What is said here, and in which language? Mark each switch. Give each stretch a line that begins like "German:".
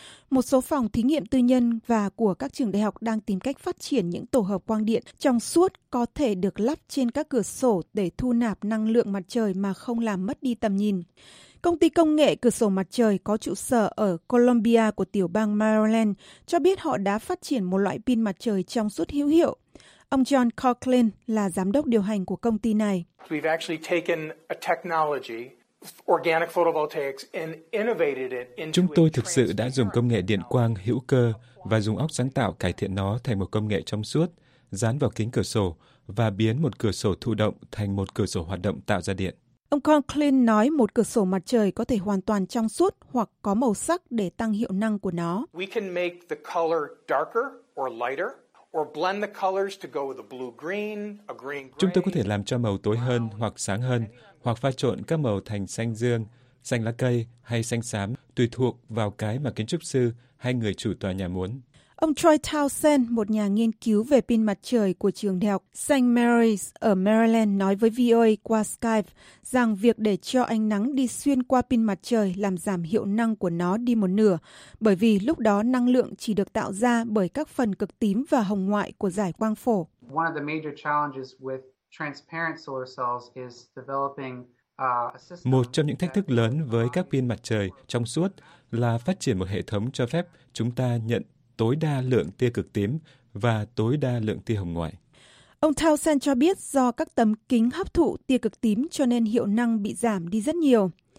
Vietnamese: Một số phòng thí nghiệm tư nhân và của các trường đại học đang tìm cách phát triển những tổ hợp quang điện trong suốt có thể được lắp trên các cửa sổ để thu nạp năng lượng mặt trời mà không làm mất đi tầm nhìn. Công ty công nghệ cửa sổ mặt trời có trụ sở ở Columbia của tiểu bang Maryland cho biết họ đã phát triển một loại pin mặt trời trong suốt hữu hiệu. Ông John Coughlin là giám đốc điều hành của công ty này.
English: We've actually taken a technology, organic photovoltaics, and innovated it into.
Vietnamese: Chúng tôi thực sự đã dùng công nghệ điện quang hữu cơ và dùng óc sáng tạo cải thiện nó thành một công nghệ trong suốt, dán vào kính cửa sổ và biến một cửa sổ thụ động thành một cửa sổ hoạt động tạo ra điện. Ông Conklin nói một cửa sổ mặt trời có thể hoàn toàn trong suốt hoặc có màu sắc để tăng hiệu năng của nó.
English: We can make the color darker or lighter, or blend the colors to go with a blue green, a green gray.
Vietnamese: Chúng tôi có thể làm cho màu tối hơn hoặc sáng hơn, hoặc pha trộn các màu thành xanh dương, xanh lá cây hay xanh xám, tùy thuộc vào cái mà kiến trúc sư hay người chủ tòa nhà muốn. Ông Troy Townsend, một nhà nghiên cứu về pin mặt trời của trường đại học St. Mary's ở Maryland, nói với VOA qua Skype rằng việc để cho ánh nắng đi xuyên qua pin mặt trời làm giảm hiệu năng của nó đi một nửa, bởi vì lúc đó năng lượng chỉ được tạo ra bởi các phần cực tím và hồng ngoại của giải quang phổ.
English: One of the major challenges with transparent solar cells is developing.
Vietnamese: Một trong những thách thức lớn với các pin mặt trời trong suốt là phát triển một hệ thống cho phép chúng ta nhận tối đa lượng tia cực tím và tối đa lượng tia hồng ngoại. Ông Townsend cho biết do các tấm kính hấp thụ tia cực tím cho nên hiệu năng bị giảm đi rất nhiều.